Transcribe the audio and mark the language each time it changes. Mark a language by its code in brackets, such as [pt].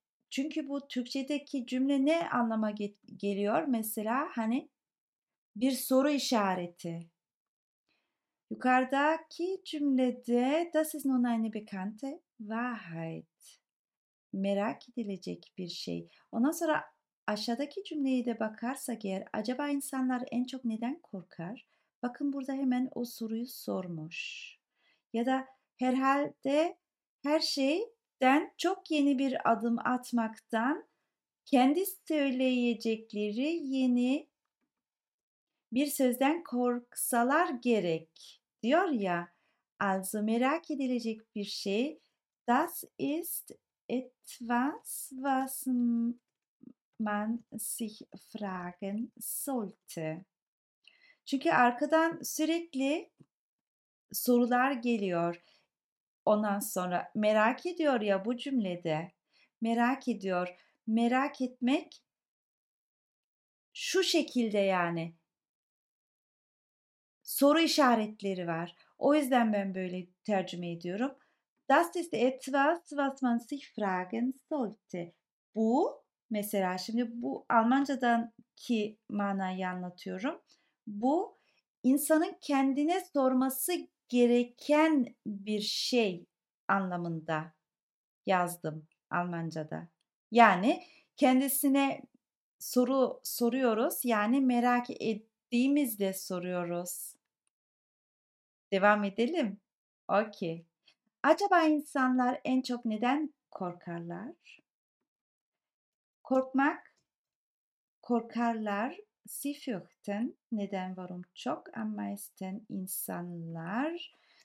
[tr] Çünkü bu Türkçedeki cümle ne anlama geliyor? Mesela hani bir soru işareti. Yukarıdaki cümlede [de] das ist nun eine bekannte Wahrheit. [tr] Merak edilecek bir şey. Ondan sonra aşağıdaki cümleyi de bakarsak eğer acaba insanlar en çok neden korkar? Bakın burada hemen o soruyu sormuş. Ya da herhalde her şey den çok yeni bir adım atmaktan kendi söyleyecekleri yeni bir sözden korksalar gerek diyor ya. Also merak edilecek bir şey. [de] Das ist etwas was man sich fragen sollte. [tr] Çünkü arkadan sürekli sorular geliyor. Ondan sonra merak ediyor ya bu cümlede. Merak ediyor. Merak etmek şu şekilde yani. Soru işaretleri var. O yüzden ben böyle tercüme ediyorum. [de] Das ist etwas, was man sich fragen sollte. [tr] Bu mesela şimdi bu Almancadaki manayı anlatıyorum. Bu insanın kendine sorması gereken bir şey anlamında yazdım Almanca'da. Yani kendisine soru soruyoruz. Yani merak ettiğimizde soruyoruz. Devam edelim. Okey. Acaba insanlar en çok neden korkarlar? Korkmak, korkarlar. [de] Sie fürchten, [tr] neden, [de] warum, [tr] çok, [de] am meisten [tr] insanlar.